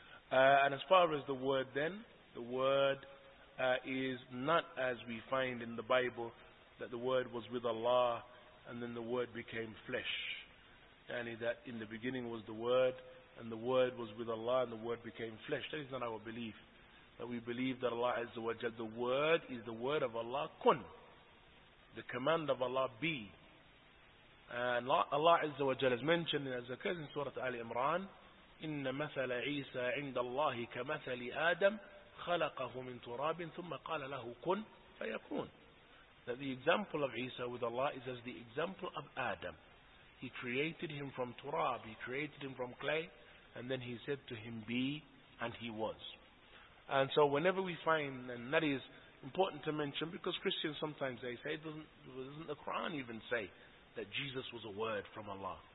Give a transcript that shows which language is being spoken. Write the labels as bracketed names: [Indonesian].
[English] And as far as the word then, the word is not as we find in the Bible, that the word was with Allah and then the word became flesh. And that in the beginning was the word, and the word was with Allah, and the word became flesh. That is not our belief. That we believe that Allah Azza wa Jalla, the word is the word of Allah, kun. The command of Allah, be. And Allah Azza wa Jalla is mentioned in Azakar in Surah Ali Imran, [Arabic] إِنَّ مَثَلَ عِيسَى عِنْدَ اللَّهِ كَمَثَلِ آدَمْ خَلَقَهُ مِنْ تُرَابٍ ثُمَّ قَالَ لَهُ كُنْ فَيَكُونَ. [English] That the example of Isa with Allah is as the example of Adam. He created him from turab, he created him from clay, and then he said to him, be, and he was. And so whenever we find, and that is important to mention, because Christians sometimes they say, doesn't the Quran even say that Jesus was a word from Allah?